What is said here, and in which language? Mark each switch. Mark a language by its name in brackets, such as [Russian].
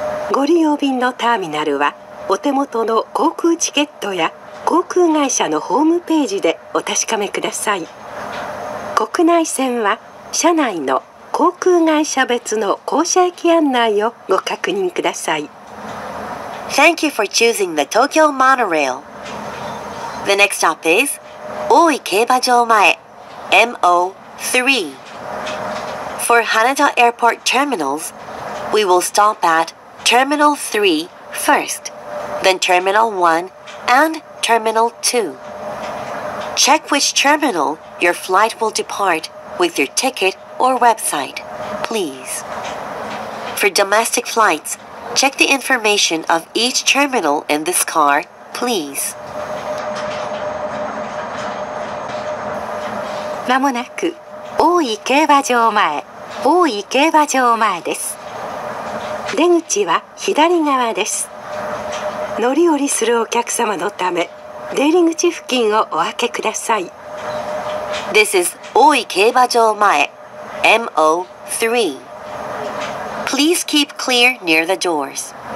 [Japanese] ご利用便のターミナルはお手元の航空チケットや航空会社のホームページでお確かめください。国内線は車内の航空会社別の降車駅案内をご確認ください。 [English] Thank you for choosing the Tokyo Monorail. The next stop is大井競馬場前 MO3. For Haneda Airport Terminals, we will stop at Terminal 3 first, then Terminal 1 and Terminal 2. Check which terminal your flight will depart with your ticket or website, please. For domestic flights, check the information of each terminal in this car, please. [Japanese] まもなく大井競馬場前、大井競馬場前です。出口は左側です。乗り降りするお客様のため、出入口付近をお開けください。 [English] This is 大井競馬場前 MO3. Please keep clear near the doors.